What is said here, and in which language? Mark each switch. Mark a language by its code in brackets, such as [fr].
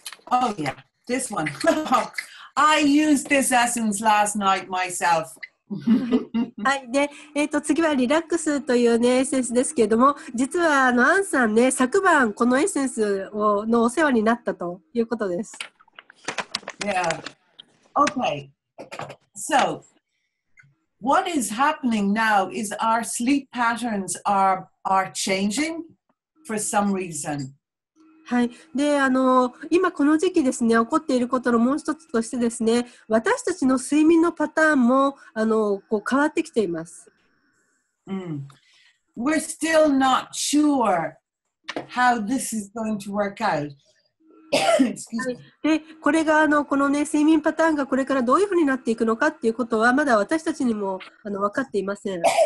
[en] Oh, yeah. This one. I used this essence last night myself. [ja] はい。で、次はリラックスという、ね、エッセンスですけれども、実はアンさんね、昨晩このエッセンスのお世話になったということです。 [en] Yeah. Okay. So, what is happening now is our sleep patterns are changing for some reason. [ja] はい。で、今この時期ですね、起こっていることのもう一つとしてですね、私たちの睡眠のパターンもこう変わってきています。 [en] We're still not sure how this is going to work out. [ja] でこれがこのね、睡眠パターンがこれからどういうふうになっていくのかっていうことはまだ私たちにも分かっていません。